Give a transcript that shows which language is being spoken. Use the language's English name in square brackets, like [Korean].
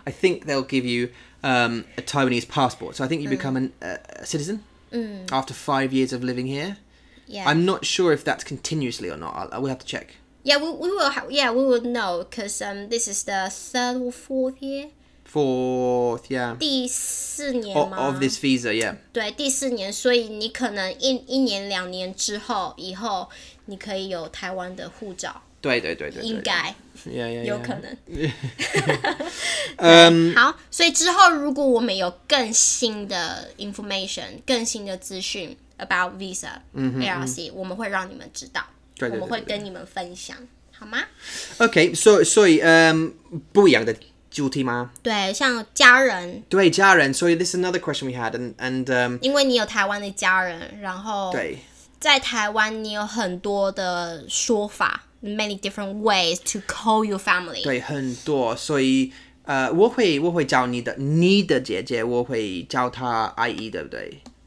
[English] I think they'll give you a Taiwanese passport. So I think you become a citizen after 5 years of living here. Yeah. I'm not sure if that's continuously or not. I will have to check. Yeah, we will know because this is the third or fourth year. fourth, yeah. [Chinese] 第四年吗? [English] Of this visa, yeah. [Chinese] 对,第四年,所以你可能一年两年之后,以后你可以有台湾的护照。对对对对。应该。 [English] Yeah, yeah, [Chinese] 有可能。 [English] Yeah. [Chinese] 好,所以之后如果我们有更新的 [English] information, [Chinese] 更新的资讯 [English] about visa, ARC, [Chinese] 我们会让你们知道。对对对对，我们会跟你们分享，好吗？OK， 所以，不一样的主题吗？对，像家人。对家人，所以 [English] this is another question we had， and [Chinese] 因为你有台湾的家人，然后对，在台湾你有很多的说法 ， [English] many different ways to call your family。 [Chinese] 对，很多，所以我会叫你的姐姐，我会叫她阿姨，对不对？